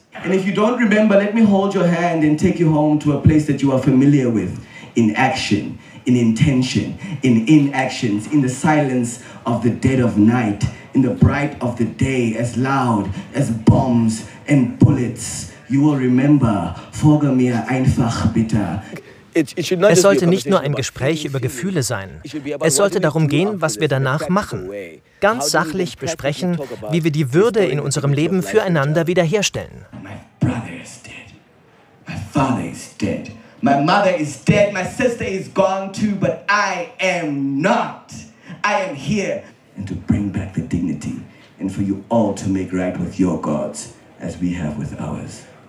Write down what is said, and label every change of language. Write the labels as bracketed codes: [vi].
[en] And if you don't remember, let me hold your hand and take you home to a place that you are familiar with. In action, in intention, in inactions, in the silence of the dead of night, in the bright of the day, as loud as bombs and bullets. You will remember, [de] folge mir einfach bitte. Es sollte nicht nur ein Gespräch über Gefühle sein. Es sollte darum gehen, was wir danach machen. Ganz sachlich besprechen, wie wir die Würde in unserem Leben füreinander wiederherstellen. [en] My brother is dead. My father is dead. My mother is dead. My sister is gone too, but I am not. I am here. And to bring back the dignity and for you all to make right with your gods as we have with ours.